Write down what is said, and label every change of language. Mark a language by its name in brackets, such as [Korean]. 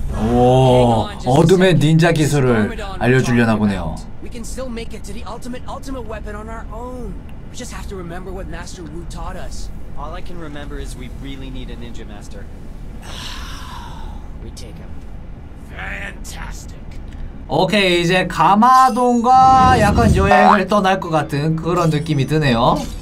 [Korean] 오, 어둠의 닌자 기술을 알려주려나 보네요. [English] We can still make it to the ultimate weapon on our own. We just have to remember what Master Wu taught us. All I can remember is we really need a ninja master. We take him. Fantastic. [Korean] 오케이 이제 가마돈과 약간 여행을 떠날 것 같은 그런 느낌이 드네요.